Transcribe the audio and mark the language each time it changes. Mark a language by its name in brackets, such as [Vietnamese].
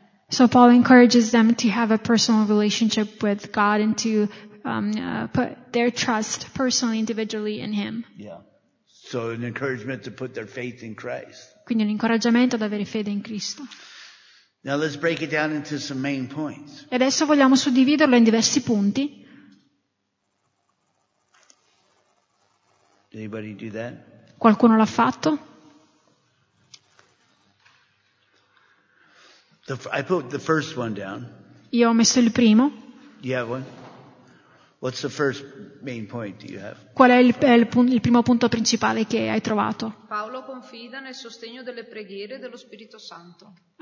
[English] So Paul encourages them to have a personal relationship with God and to put their trust personally, individually in Him. Yeah. So an encouragement to put their faith in Christ. [Italian] Quindi un incoraggiamento ad avere fede in Cristo. [English] Now let's break it down into some main points. [Italian] E adesso vogliamo suddividerlo in diversi punti. [English] Did anybody do that? [Italian] Qualcuno l'ha fatto? [English] I put the first one down. [Italian] Io ho messo il primo. [English] You have one? What's the first main point do you have? [Italian] Qual è il primo punto principale che hai trovato? Paolo confida nel sostegno delle preghiere dello Spirito Santo.